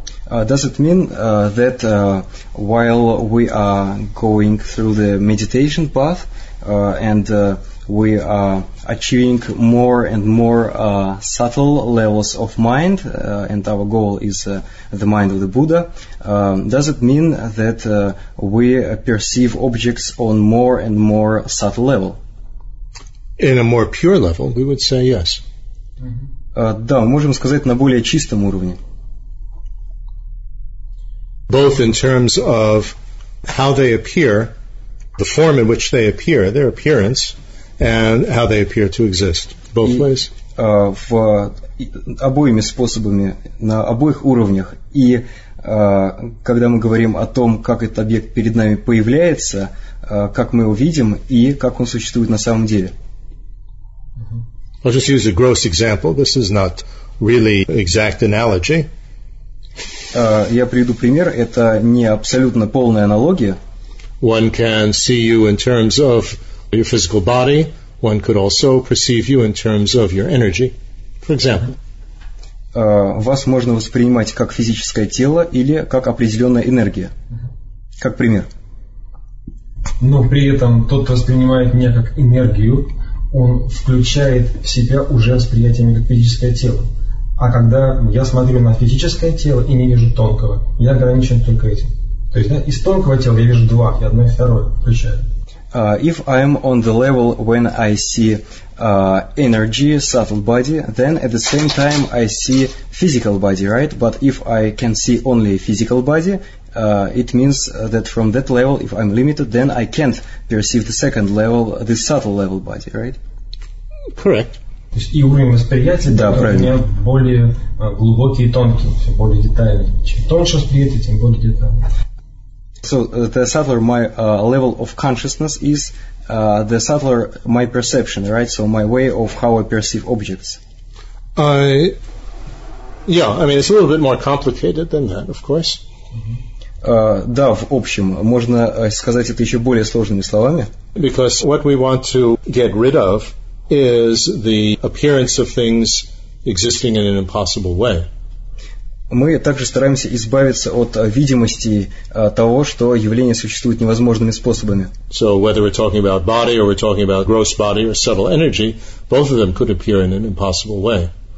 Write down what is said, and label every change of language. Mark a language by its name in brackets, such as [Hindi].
[English] Does it mean that while we are going through the meditation path and we are achieving more and more subtle levels of mind, and our goal is the mind of the Buddha, does it mean that we perceive objects on more and more subtle level? In a more pure level, we would say yes. [Russian] Да, мы можем сказать на более чистом уровне. [English] Both in terms of how they appear, the form in which they appear, their appearance, and how they appear to exist. Both ways. [Russian] В обоими способами, на обоих уровнях. И когда мы говорим о том, как этот объект перед нами появляется, как мы его видим, и как он существует на самом деле. [English] I'll just use a gross example. This is not really exact analogy. [Russian] Я приведу пример. Это не абсолютно полная аналогия. [English] One can see you in terms of your physical body, one could also perceive you in terms of your energy, for example. [Russian] Вас можно воспринимать как физическое тело или как определенная энергия. Как пример. Но при этом тот, кто воспринимает меня как энергию, он включает в себя уже восприятие меня как физическое тело. А когда я смотрю на физическое тело и не вижу тонкого, я ограничен только этим. То есть, да, из тонкого тела я вижу два, и одно, и второе включаю. [English] If I am on the level when I see energy, subtle body, then at the same time I see physical body, right? But if I can see only physical body, it means that from that level, if I'm limited, then I can't perceive the second level, the subtle level body, right? Correct. [Russian] То есть и уровень восприятия, да, у меня более глубокий и тонкий, все более детальный. Чем тоньше восприятие, тем более детальный. [English] So the subtler my level of consciousness is, the subtler my perception, right? So my way of how I perceive objects. I mean, it's a little bit more complicated than that, of course. Mm-hmm. [Russian] Да, в общем, можно сказать это еще более сложными словами. [English] Because what we want to get rid of is the appearance of things existing in an impossible way. [Russian] Мы также стараемся избавиться от видимости того, что явления существуют невозможными способами. [English] So whether we're talking about body or we're talking about gross body or subtle energy, both of them could appear in an impossible way.